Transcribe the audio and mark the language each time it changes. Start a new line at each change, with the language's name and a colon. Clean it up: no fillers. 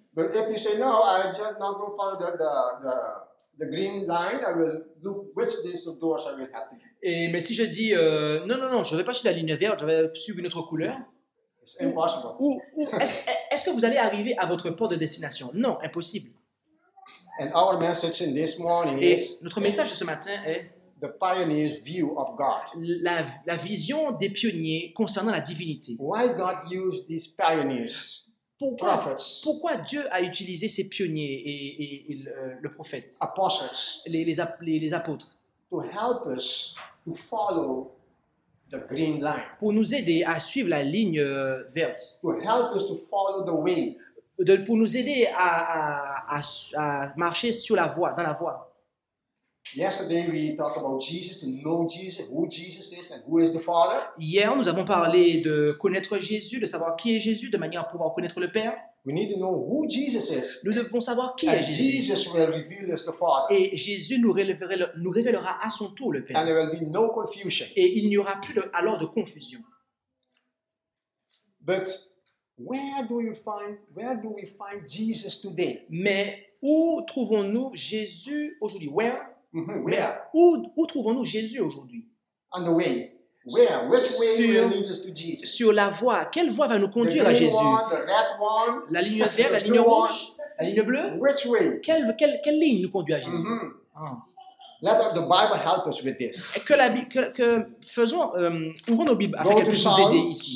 English: But if you say no, I'm just not going to follow the green line. I will look which these doors I will have to be.
French: Mais si je dis non, je ne vais pas suivre la ligne verte, je vais suivre une autre couleur.
English: It's impossible.
French: Est-ce que vous allez arriver à votre port de destination? Non, impossible.
English: And our message in this morning is
French: notre message ce matin est
English: the pioneer's view of God.
French: La vision des pionniers concernant la divinité.
English: Why God used these pioneers?
French: Pourquoi Dieu a utilisé ces pionniers et le prophète?
English: Apostles.
French: Les apôtres.
English: To help us to follow the green line.
French: Pour nous aider à suivre la ligne verte.
English: To help us to follow the way.
French: Pour nous aider à marcher sur la voie, dans la voie.
English: Yesterday we talked about Jesus, to know Jesus, who Jesus is and who is the Father.
French: Hier, nous avons parlé de connaître Jésus, de savoir qui est Jésus, de manière à pouvoir connaître le Père.
English: We need to know who Jesus is.
French: Nous devons savoir qui
English: and
French: est Jésus.
English: Jesus will reveal us the Father.
French: Et Jésus nous révélera à son tour le Père.
English: And there will be no confusion.
French: Et il n'y aura plus alors de confusion.
English: But where do we find Jesus today?
French: Mais où trouvons-nous Jésus aujourd'hui?
English: Where? Mm-hmm. Where?
French: Où trouvons-nous Jésus aujourd'hui?
English: On the way. Where? Which way will lead us to Jesus?
French: Sur la voie. Quelle voie va nous conduire à Jésus?
English: The green one, the red one.
French: La ligne verte, la ligne rouge, la ligne bleue.
English: Which way?
French: Quelle ligne nous conduit à Jésus? Mm-hmm.
English: Let the Bible help us with this.
French: Que la que faisons ouvrons nos Bibles afin qu'elle puisse nous aider ici.